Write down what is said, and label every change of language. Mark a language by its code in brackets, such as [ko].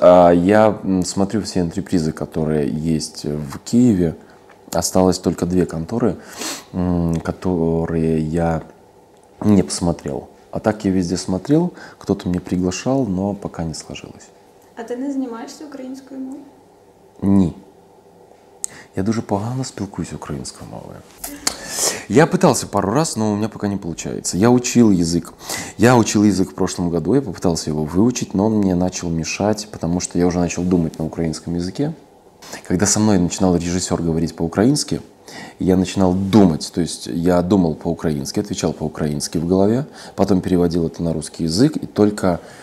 [ru] А я смотрю все антрепризы, которые есть в Киеве. Осталось только две конторы, которые я не посмотрел. А так я везде смотрел, кто-то меня приглашал, но пока не сложилось. А ты не занимаешься украинской мовой? [uk] Ні. Я дуже погано спілкуюсь українською мовою. [ru] Я пытался пару раз, но у меня пока не получается. Я учил язык. Я учил язык в прошлом году, я попытался его выучить, но он мне начал мешать, потому что я уже начал думать на украинском языке. Когда со мной начинал режиссер говорить по-украински, я начинал думать, то есть я думал по-украински, отвечал по-украински в голове, потом переводил это на русский язык, и только